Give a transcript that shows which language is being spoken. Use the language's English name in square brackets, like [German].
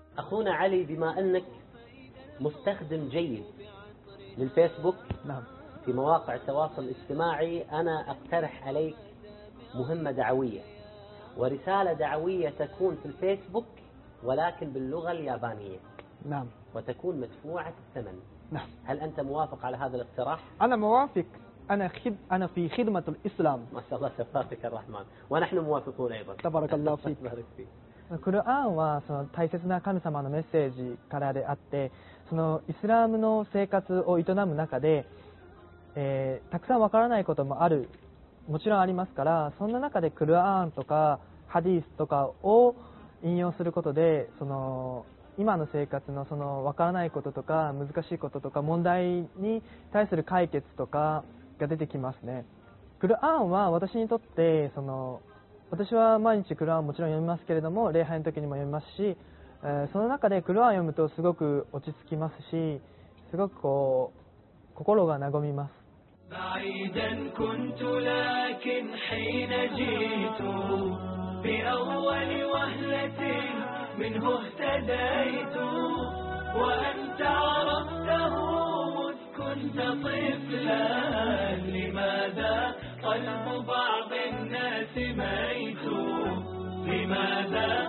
[Arabic] أخونا علي بما أنك مستخدم جيد للفيسبوك في مواقع التواصل الاجتماعي أنا أقترح عليك مهمة دعوية ورسالة دعوية تكون في الفيسبوك ولكن باللغة اليابانية. نعم. وتكون مدفوعة الثمن. نعم. هل أنت موافق على هذا الاقتراح؟ أنا موافق. أنا في خدمة الإسلام. ما شاء الله تبارك الرحمن. ونحن موافقون أيضا. تبارك الله فيك. تبارك فيك. [Japanese] القرآن はその大切な神様のメッセージからであって、そのイスラムの生活を営む中で、たくさんわからないこともある。もちろんありますから、そんな中でクルアーンとかハディースとかを引用することで、その今の生活のその分からないこととか難しいこととか問題に対する解決とかが出てきますね。クルアーンは私にとってその私は毎日クルアーンもちろん読みますけれども礼拝の時にも読みますし、その中でクルアーン読むとすごく落ち着きますし、すごくこう心が和みます。 [Arabic] بعيدا كنت لكن حين جئت بأول وهلة منه اهتديت وأنت عرفته مذ كنت طفلا لماذا قلب بعض الناس ميت لماذا